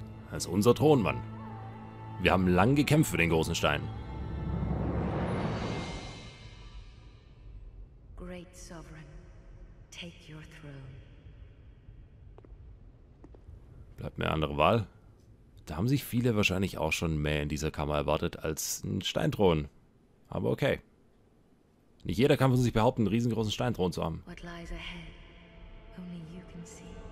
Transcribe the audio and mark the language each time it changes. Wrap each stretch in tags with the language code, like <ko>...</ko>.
<de>Das ist unser Thron, Mann. Wir haben lang gekämpft für den großen Stein.</de> <en>Great Sovereign, take your throne.</en> <de>bleibt mir andere Wahl. Da haben sich viele wahrscheinlich auch schon mehr in dieser Kammer erwartet als einen Steinthron. Aber okay. Nicht jeder kann von sich behaupten, einen riesengroßen Steinthron zu haben.</de> <en>What lies ahead, only you can see.</en>